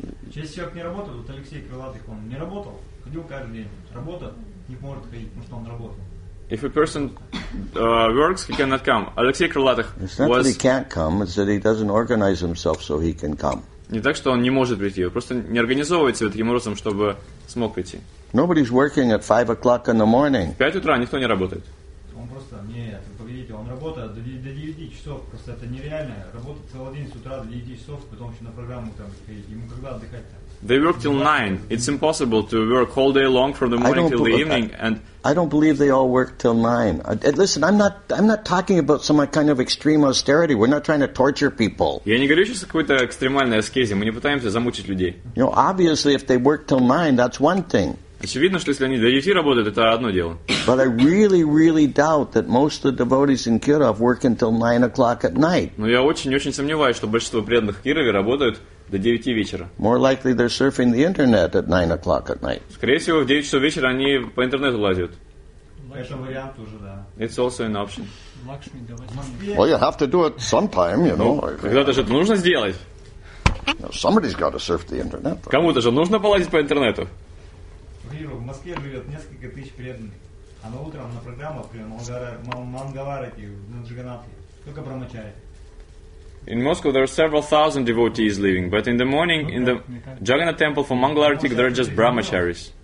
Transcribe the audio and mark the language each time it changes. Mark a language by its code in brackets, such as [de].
[ru] Если человек не работает, вот Алексей Крылатых, он не работал, ходил каждый день. Работа не может ходить, потому что он работал. [en] If a person works, he cannot come. Алексей Крылатых was... It's not that he can't come, it's that he doesn't organize himself so he can come. [ru] Не так, что он не может прийти, он просто не организовывает себя таким образом, чтобы смог прийти. [en] Nobody's working at 5 o'clock in the morning. [ru] В 5 утра никто не работает. Он просто, нет, погодите, он работает до 9 часов, просто это нереально. Работать целый день с утра до 9 часов, потом еще на программу там, ему когда отдыхать-то? [en] They work till 9. It's impossible to work all day long from the morning till the evening. And I don't believe they all work till 9. Listen, I'm not talking about some kind of extreme austerity. We're not trying to torture people. [ru] Я не говорю сейчас о какой-то экстремальной аскезе. Мы не пытаемся замучить людей. [en] You know, obviously, if they work till 9, that's one thing. [ru] Очевидно, что если они до 9 работают, это одно дело. [en] But I really, really doubt that most of the devotees in Kirov work until 9 o'clock at night. [ru] Но я очень-очень сомневаюсь, что большинство преданных в Кирове работают до 9 вечера. [en] More likely they're surfing the internet at 9 o'clock at night. [ru] Скорее всего, в 9 часов вечера они по интернету лазят. Это вариант уже, да. [en] It's also an option. Well, you have to do it sometime, you know. [ru] Когда-то же это нужно сделать. [en] Now, somebody's got to surf the internet. Though. [ru] Кому-то же нужно полазить по интернету. В Москве живет несколько тысяч преданных, а на утром на программу прямо Мангаварати на Джиганатхе только брамачари. [en] In Moscow there are several thousand devotees living, but in the morning in the Jagannath temple for Mangalarati there are just brahmacharis.